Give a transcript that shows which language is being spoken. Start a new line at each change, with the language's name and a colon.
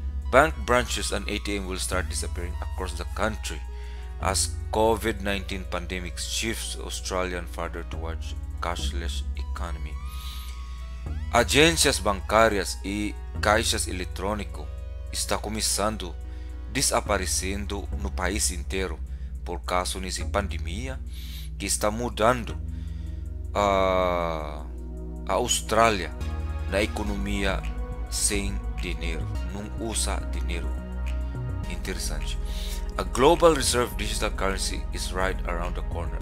English: Bank branches and ATM will start disappearing across the country as COVID-19 pandemic shifts Australian further towards cashless economy.
Portuguese: Agências bancárias e caixas eletrônicos estão começando desaparecendo no país inteiro por causa dessa pandemia que está mudando a Austrália na economia sem dinheiro, não usa dinheiro. Interessante.
English: A Global Reserve Digital Currency is right around the corner.